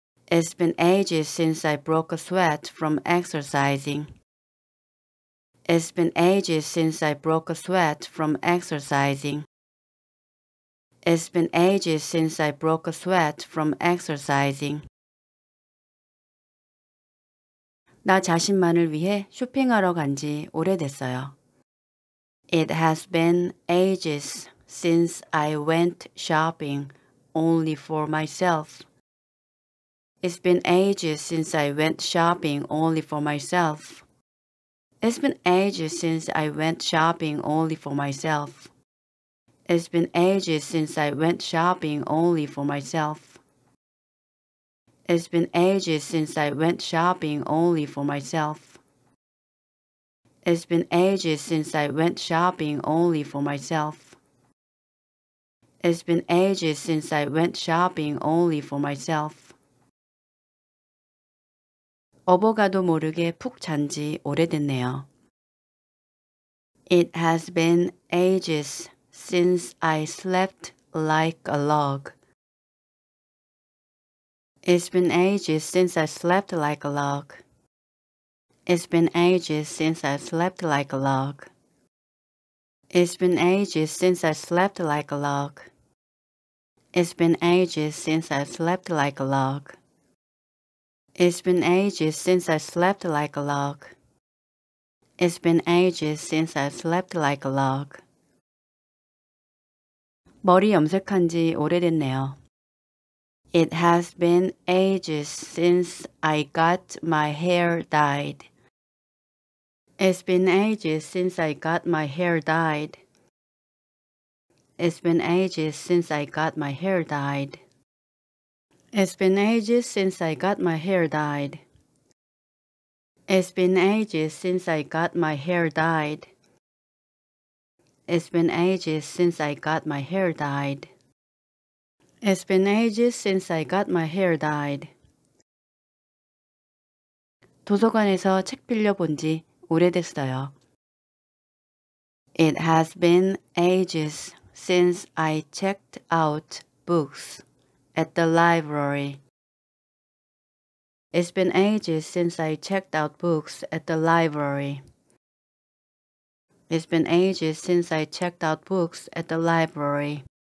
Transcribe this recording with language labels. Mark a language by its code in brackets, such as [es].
[en] It's been ages since I broke a sweat from exercising. It's been ages since I broke a sweat from exercising. It's been ages since I broke a sweat from exercising. [ko] 나 자신만을 위해 쇼핑하러 간 지 오래됐어요. [en] It has been ages since I went shopping only for myself. It's been ages since I went shopping only for myself. It's been ages since I went shopping only for myself. It's been ages since I went shopping only for myself. It's been ages since I went shopping only for myself. It's been ages since I went shopping only for myself. It's been ages since I went shopping only for myself. [ko] 어버가도 모르게 푹 잔 지 오래됐네요. [en] It has been ages since I slept like a log. It's been ages since I slept like a log. It's been ages since I slept like a log. It's been ages since I slept like a log. It's been ages since I slept like a log. It's been ages since I slept like a log. It's been ages since I slept like a log. [ko] 머리 염색한 지 오래됐네요. [en] It has been ages since I got my hair dyed. It's been ages since I got my hair dyed. It's been ages since I got my hair dyed. It's been ages since I got my hair dyed. It's been ages since I got my hair dyed. It's been ages since I got my hair dyed. It's been ages since I got my hair dyed. [ko] 도서관에서 책 빌려본 지 오래됐어요. [en] It has been ages since I checked out books at the library. It's been ages since I checked out books at the library. It's been ages since I checked out books at the library.